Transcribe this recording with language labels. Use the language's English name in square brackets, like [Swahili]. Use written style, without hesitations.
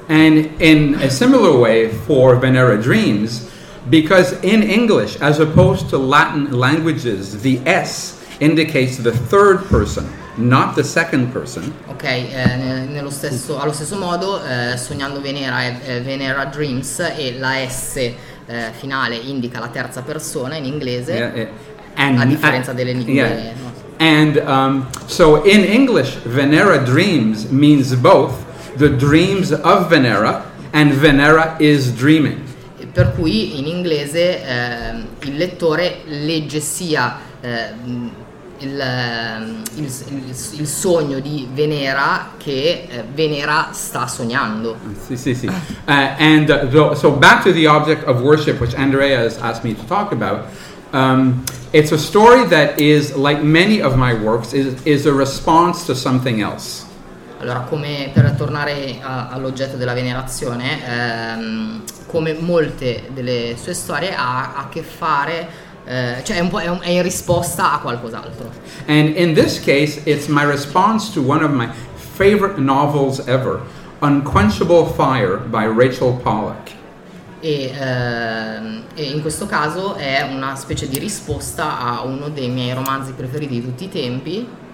[English] And in a similar way for Venera Dreams, because in English, as opposed to Latin languages, the S indicates the third person, not the second person. [Italian] Ok, allo stesso modo, Sognando Venera è Venera Dreams, e la S finale indica la terza persona in inglese, delle lingue. [English] Yeah. And so in English, Venera Dreams means both the dreams of Venera, and Venera is dreaming. [Italian] Per cui in inglese il lettore legge sia il sogno di Venera che Venera sta sognando. Sì, sì, sì. [English] So back to the object of worship, which Andrea has asked me to talk about. It's a story that is, like many of my works, is a response to something else. [Italian] Allora, come per tornare all'oggetto della venerazione, come molte delle sue storie ha a che fare, cioè è un po' è in risposta a qualcos'altro. [English] And in this case it's my response to one of my favorite novels ever, Unquenchable Fire by Rachel Pollack. [Italian] E in questo caso è una specie di risposta a uno dei miei romanzi preferiti di tutti i tempi.